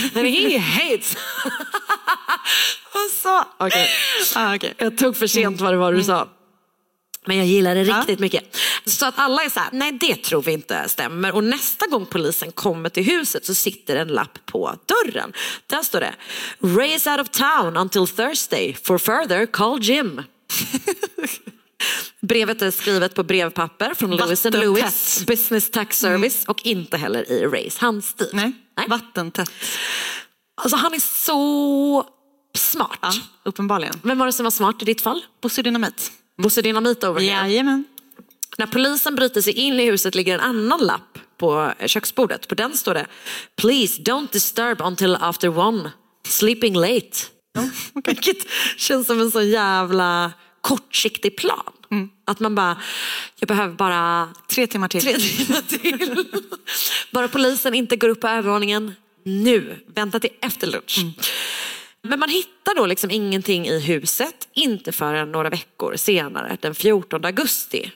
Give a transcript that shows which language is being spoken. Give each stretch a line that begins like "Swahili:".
English: He hates.
Swedish: Och så, okej. Jag tog för sent vad du sa. Men jag gillar det riktigt mycket. Så att alla är så här, nej det tror vi inte stämmer. Och nästa gång polisen kommer till huset så sitter en lapp på dörren. Där står det,
English: Ray is out of town until Thursday. For further, call Jim.
Swedish: Brevet är skrivet på brevpapper från Lewis & Lewis Business Tax Service. Och inte heller i Rays handstil. Nej, vattentätt. Alltså han är så smart. Ja, uppenbarligen. Vem var det som var smart i ditt fall? Bosse Dynamit. Bosse Dynamit over here. Jajamän. När polisen bryter sig in i huset ligger en annan lapp på köksbordet. På den står det,
English: please don't disturb until after one, sleeping late.
Swedish: Ja, okay. Vilket känns som en så jävla kortsiktig plan. Mm. Att man bara, jag behöver bara 3 timmar till. 3 timmar till. Bara polisen inte går upp på övervåningen nu. Vänta till efter lunch. Mm. Men man hittar då liksom ingenting i huset, inte förrän några veckor senare, den 14 augusti.